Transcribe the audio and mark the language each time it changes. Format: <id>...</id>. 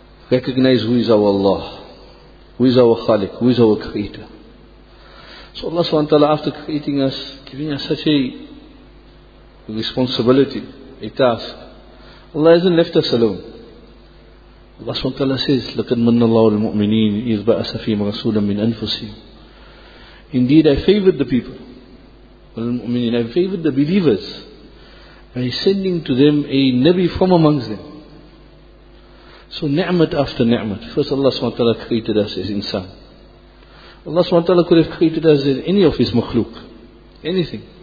<en>Recognize who is our Allah, who is our Khaliq, who is our Creator. So Allah SWT, after creating us, giving us such a responsibility, a task, Allah hasn't left us alone. Allah SWT says,</en> <ar>لَقَدْ مَنَّ اللَّهُ الْمُؤْمِنِينَ إِذْ بَأَسَ فِيهِمْ رَسُولًا مِّنْ أَنفُسِهِمْ.</ar> <en>Indeed, I favored the people, وَالْمُؤْمِنِينَ, I favored the believers by sending to them a Nabi from amongst them. So ni'mat after ni'mat. First Allah SWT created us as insan. Allah SWT could have created us as any of His makhluk, anything.</en>